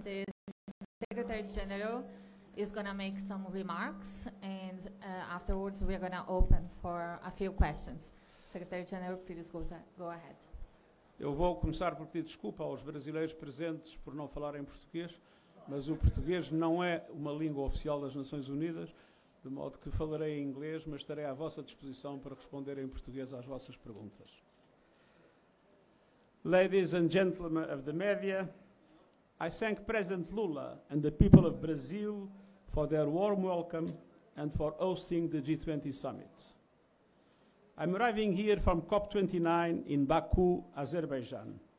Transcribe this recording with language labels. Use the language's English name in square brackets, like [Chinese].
[English] The Secretary General is going to make some remarks, and afterwards we are going to open for a few questions. Secretary General, please go ahead. [Portuguese] Eu vou começar por pedir desculpa aos brasileiros presentes por não falarem português, mas o português não é uma língua oficial das Nações Unidas, de modo que falarei em inglês, mas estarei à vossa disposição para responder em português às vossas perguntas. [English] Ladies and gentlemen of the media, I thank President Lula and the people of Brazil for their warm welcome and for hosting the G20 summit. I'm arriving here from COP29 in Baku, Azerbaijan.